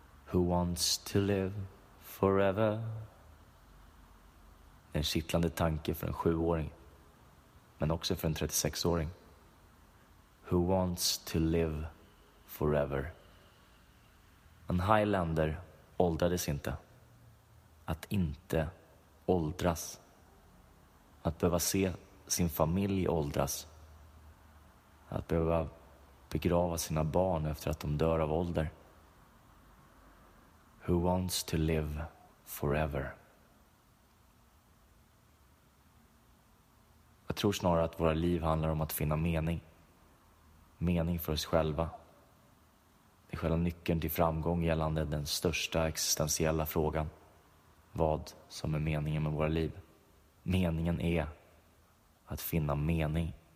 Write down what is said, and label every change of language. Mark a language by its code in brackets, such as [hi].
[en] Who wants to live forever? [sv] En kittlande tanke för en 7-åring, men också för en 36-åring. [en] Who wants to live forever? [sv] En Highlander åldrades inte. Att inte åldras. Att behöva se sin familj åldras. Att behöva begrava sina barn efter att de dör av ålder. [en] Who wants to live forever? [sv] Jag tror snarare att våra liv handlar om att finna mening. Mening för oss själva. Det är själva nyckeln till framgång gällande den största existentiella frågan. Vad som är meningen med våra liv. Meningen är att finna mening.